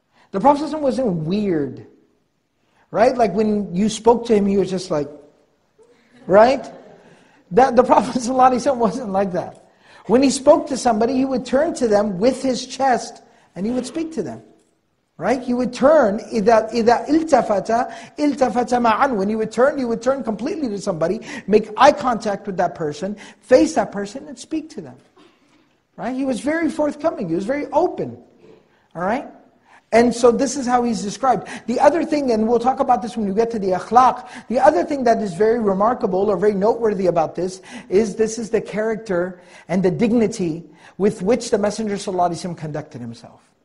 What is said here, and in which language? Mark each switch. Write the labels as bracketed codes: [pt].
[en] The Prophet ﷺ wasn't weird. Right? Like when you spoke to him, he was just like... Right? That the Prophet ﷺ wasn't like that. When he spoke to somebody, he would turn to them with his chest and he would speak to them. Right? You would turn, [ar] إذا التفت, التفت معاً. [en] When you would turn completely to somebody, make eye contact with that person, face that person and speak to them. Right? He was very forthcoming, he was very open. Alright? And so this is how he's described. The other thing, and we'll talk about this when we get to the akhlaq, the other thing that is very remarkable or very noteworthy about this is the character and the dignity with which the Messenger ﷺ conducted himself.